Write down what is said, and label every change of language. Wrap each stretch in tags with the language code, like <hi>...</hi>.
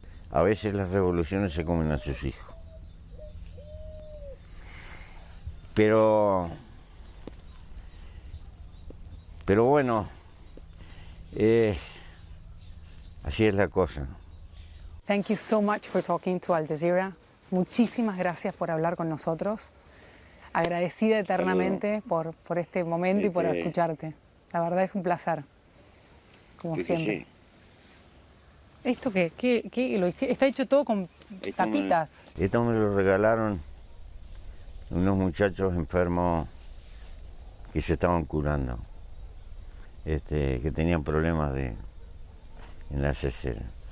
<es>A veces las revoluciones se comen a sus hijos. Pero bueno, así es la cosa.</es> <en>Thank you so much for talking to Al Jazeera.</en> <es>Muchísimas gracias por hablar con nosotros. Agradecida eternamente por este momento y por escucharte. La verdad es un placer, como siempre. ¿Esto qué lo hice? Está hecho todo con tapitas. Esto me lo regalaron unos muchachos enfermos que se estaban curando, que tenían problemas en la cesera.</es>